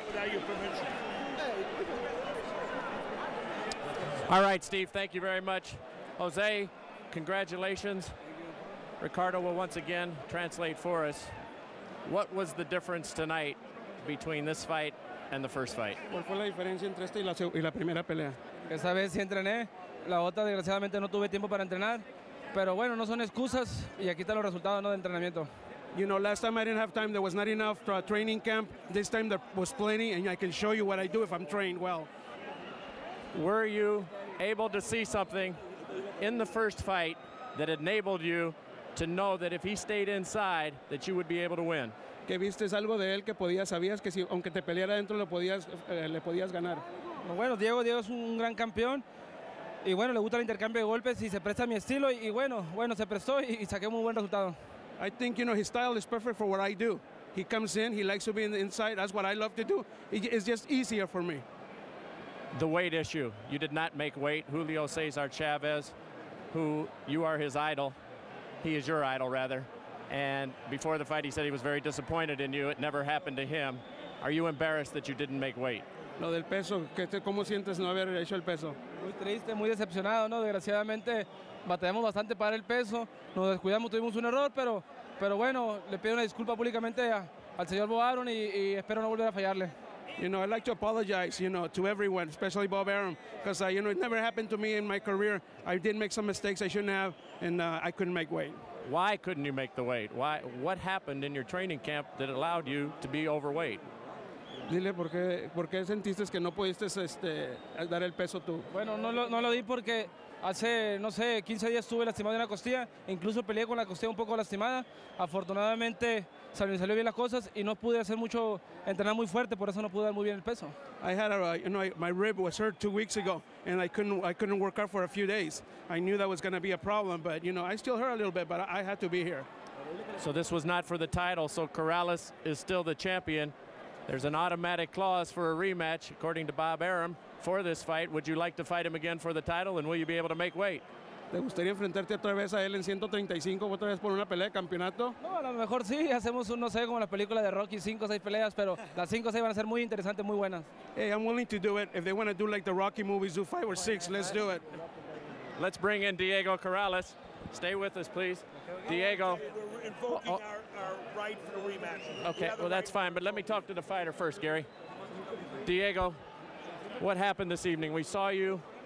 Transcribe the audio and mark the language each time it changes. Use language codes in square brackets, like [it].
[en] Without your permission. All right, Steve, thank you very much. Jose, congratulations. Ricardo will once again translate for us. What was the difference tonight between this fight and the first fight? [es] ¿Cuál fue la diferencia entre esta y la primera pelea? Esta vez sí entrené, la otra desgraciadamente no tuve tiempo para entrenar, pero bueno, no son excusas y aquí están los resultados, no, de entrenamiento. [en] You know, last time I didn't have time, there was not enough for a training camp. This time there was plenty and I can show you what I do if I'm trained well. Were you able to see something in the first fight that enabled you to know that if he stayed inside, that you would be able to win? [es] ¿Qué viste algo de él que podías, sabías que si aunque te peleara dentro le podías ganar? Bueno, Diego es un gran campeón y bueno, le gusta el intercambio de golpes y se presta mi estilo y bueno, se prestó y saqué muy buen resultado. [en] I think, you know, his style is perfect for what I do. He comes in, he likes to be in the inside. That's what I love to do. It's just easier for me. The weight issue. You did not make weight. Julio Cesar Chavez, who you are his idol. He is your idol, rather. And before the fight, he said he was very disappointed in you. It never happened to him. Are you embarrassed that you didn't make weight? [es] lo del peso, que te, ¿cómo sientes no haber hecho el peso? Muy triste, muy decepcionado, ¿no? Desgraciadamente batallamos bastante para el peso, nos descuidamos, tuvimos un error, pero bueno, le pido una disculpa públicamente al señor Bob Arum y espero no volver a fallarle. [en] You know, I'd like to apologize, you know, to everyone, especially Bob Arum, because, you know, it never happened to me in my career. I did make some mistakes I shouldn't have, and I couldn't make weight. Why couldn't you make the weight? Why? What happened in your training camp that allowed you to be overweight? [es] Dile por qué sentiste que no pudiste dar el peso tú. Bueno, no lo di porque hace, no sé, 15 días estuve lastimado de una costilla. Incluso peleé con la costilla un poco lastimada. Afortunadamente, salió bien las cosas y no pude hacer mucho, entrenar muy fuerte, por eso no pude dar muy bien el peso. [en] I had my rib was hurt 2 weeks ago, and I couldn't work out for a few days. I knew that was going to be a problem, but, you know, I still hurt a little bit, but I had to be here. So this was not for the title, so Corrales is still the champion. There's an automatic clause for a rematch, according to Bob Arum, for this fight. Would you like to fight him again for the title, and will you be able to make weight? [es] ¿Te gustaría enfrentarte otra vez a él en 135, otra vez por una pelea de campeonato? No, a lo mejor sí, hacemos un, no sé, como la película de Rocky, 5 o 6 peleas, pero las 5 o 6 van a ser muy interesantes, muy buenas. [en] Hey, I'm willing to do it. If they want to do like the Rocky movies, do 5 or 6, let's do it. Let's bring in Diego Corrales. Stay with us, please. Diego. We're invoking our right for the rematch. Okay, well, that's fine, but let me talk to the fighter first, Gary. Diego, what happened this evening? We saw you.